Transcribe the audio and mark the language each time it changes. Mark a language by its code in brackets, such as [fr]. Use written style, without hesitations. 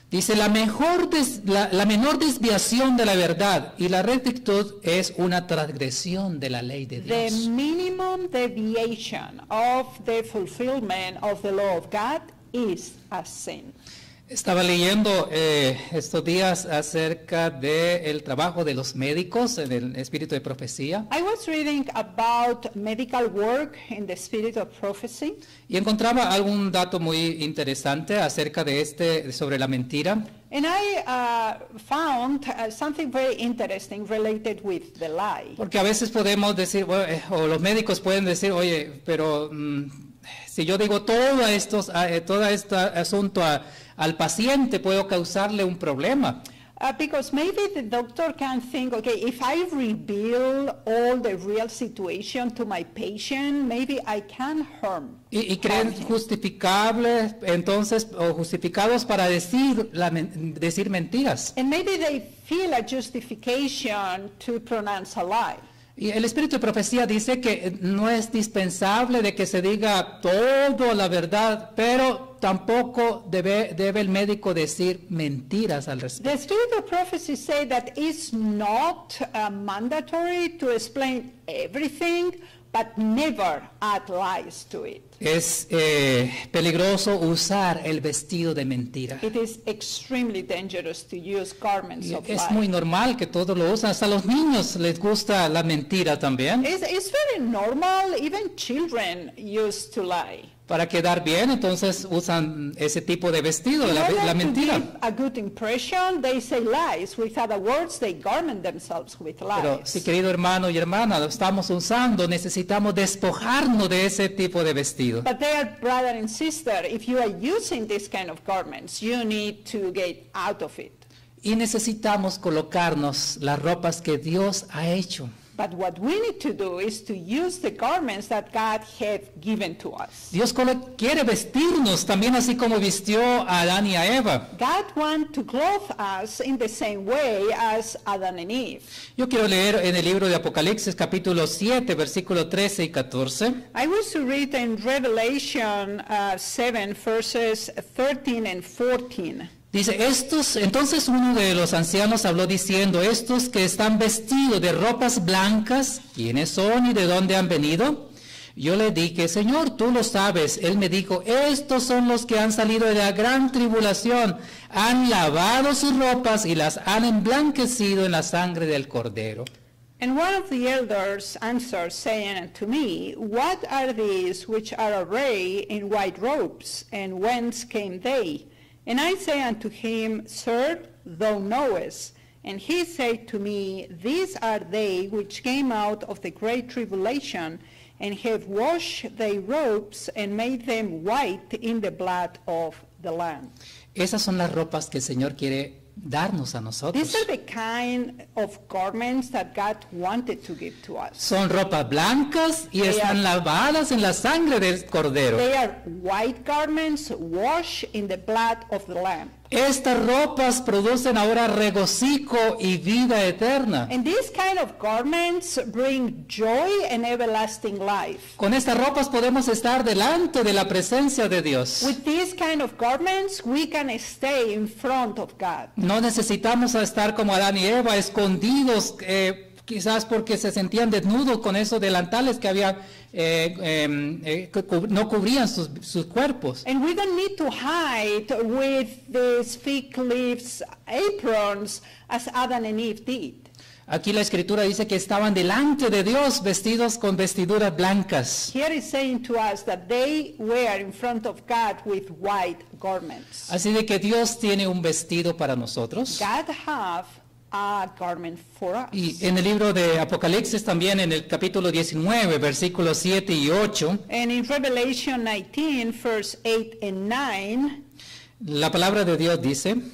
[es] Dice, la menor desviación de la verdad y la rectitud es una transgresión de la ley de Dios. [en] The minimum deviation of the fulfillment of the law of God is a sin. [es] Estaba leyendo estos días acerca de el trabajo de los médicos en el Espíritu de Profecía. [en] I was reading about medical work in the Spirit of Prophecy. [es] Y encontraba algún dato muy interesante acerca de este, sobre la mentira. [en] And I found something very interesting related with the lie. [es] Porque a veces podemos decir, bueno, o los médicos pueden decir, oye, pero si yo digo todo este asunto al paciente, puedo causarle un problema. [en] Because maybe the doctor can think, okay, if I reveal all the real situation to my patient, maybe I can harm. [es] Y creen justificable, entonces, o justificados para decir mentiras. [en] And maybe they feel a justification to pronounce a lie. [es] Y el Espíritu de Profecía dice que no es dispensable de que se diga todo la verdad, pero tampoco debe el médico decir mentiras al respecto. [en] The Spirit of Prophecy say that it's not mandatory to explain everything, but never add lies to it. [es] Es peligroso usar el vestido de mentira. [en] It is extremely dangerous to use garments of lies. [es] Es muy normal que todos lo usen. Hasta los niños les gusta la mentira también. [en] It's very normal. Even children used to lie. [es] Para quedar bien, entonces usan ese tipo de vestido, la mentira. [en] To give a good impression, they say lies. With other words, they garment themselves with lies. [es] Pero sí, querido hermano y hermana, lo estamos usando, necesitamos despojarnos de ese tipo de vestido. [en] But dear brother and sister, if you are using this kind of garments, you need to get out of it. [es] Y necesitamos colocarnos las ropas que Dios ha hecho. [en] But what we need to do is to use the garments that God had given to us. [es] Dios quiere vestirnos también así como vistió a Adán y a Eva. [en] God wants to clothe us in the same way as Adam and Eve. [es] Yo quiero leer en el libro de Apocalipsis capítulo 7, versículo 13 y 14. [en] I want to read in Revelation 7, verses 13 and 14. [es] Dice, entonces uno de los ancianos habló diciendo, estos que están vestidos de ropas blancas, ¿quiénes son y de dónde han venido? Yo le dije, Señor, tú lo sabes. Él me dijo, estos son los que han salido de la gran tribulación, han lavado sus ropas y las han emblanquecido en la sangre del Cordero. [en] And one of the elders answered, saying unto me, what are these which are arrayed in white robes, and whence came they? And I say unto him, Sir, thou knowest. And he said to me, these are they which came out of the great tribulation, and have washed their robes, and made them white in the blood of the Lamb. [es] Esas son las ropas que el Señor quiere darnos a nosotros. [en] These are the kind of garments that God wanted to give to us. [es] Son ropas blancas y están lavadas en la sangre del Cordero. [en] They are white garments washed in the blood of the Lamb. [es] Estas ropas producen ahora regocijo y vida eterna. [en] And these kind of garments bring joy and everlasting life. [es] Con estas ropas podemos estar delante de la presencia de Dios. [en] With these kind of garments, we can stay in front of God. [es] No necesitamos estar como Adán y Eva, escondidos, quizás porque se sentían desnudos con esos delantales que había no cubrían sus cuerpos. [en] And we don't need to hide with these fig leaves aprons as Adam and Eve did. [es] Aquí la escritura dice que estaban delante de Dios vestidos con vestiduras blancas. [en] Here is saying to us that they were in front of God with white garments. [es] Así de que Dios tiene un vestido para nosotros. [en] God have a garment for us. [es] Y en el libro de Apocalipsis también en el capítulo 19, versículos 7 y 8. [en] And in Revelation 19, verse 8 and 9. [es] La palabra de Dios dice.